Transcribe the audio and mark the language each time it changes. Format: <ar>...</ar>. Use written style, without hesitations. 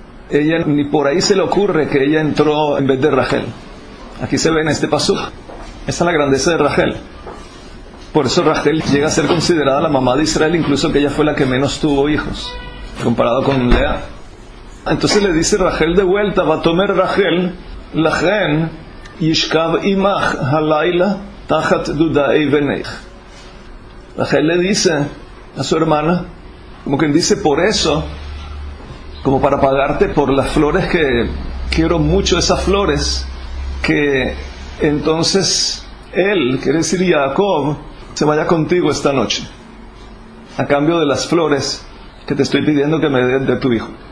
<es>Ella ni por ahí se le ocurre que ella entró en vez de Rachel. Aquí se ve en este pasú. Esa es la grandeza de Rachel. Por eso Rachel llega a ser considerada la mamá de Israel, incluso que ella fue la que menos tuvo hijos, comparado con Lea. Entonces le dice Rachel de vuelta, va a tomar Rachel</es> <he>לכן ישכב אימך הלילה תחת דודאי בנך.</he> <es>רחל le dice a su hermana, como quien dice, por eso, como para pagarte por las flores, que quiero mucho esas flores, que entonces él, quiere decir Jacob, se vaya contigo esta noche, a cambio de las flores que te estoy pidiendo que me des de tu hijo.</es>